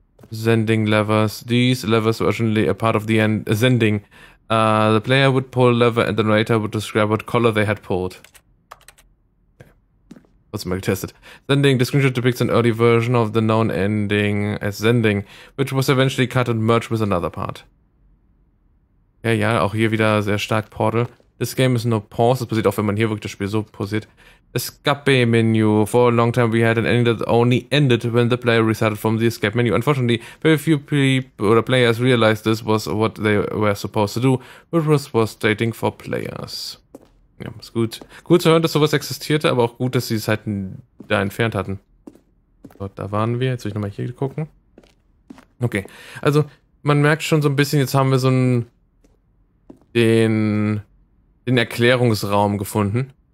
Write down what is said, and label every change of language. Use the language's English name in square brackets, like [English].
[English] Sending levers. These levers were originally a part of the end. Sending. The player would pull a lever, and the narrator would describe what color they had pulled. [German] Was mal getestet. [English] Sending, the screenshot depicts an early version of the known ending as Sending, which was eventually cut and merged with another part. [German] Ja, ja, auch hier wieder sehr stark Portal. [English] This game is no pause. [German] Das passiert auch, wenn man hier wirklich das Spiel so pausiert. [English] Escape Menu. For a long time we had an ending that only ended when the player restarted from the escape menu. Unfortunately, very few people or players realized this was what they were supposed to do, which was frustrating for players. [German] Ja, ist gut. Gut zu hören, dass sowas existierte, aber auch gut, dass sie es halt da entfernt hatten. So, da waren wir. Jetzt will ich nochmal hier gucken. Okay, also man merkt schon so ein bisschen, jetzt haben wir so ein... den Erklärungsraum gefunden.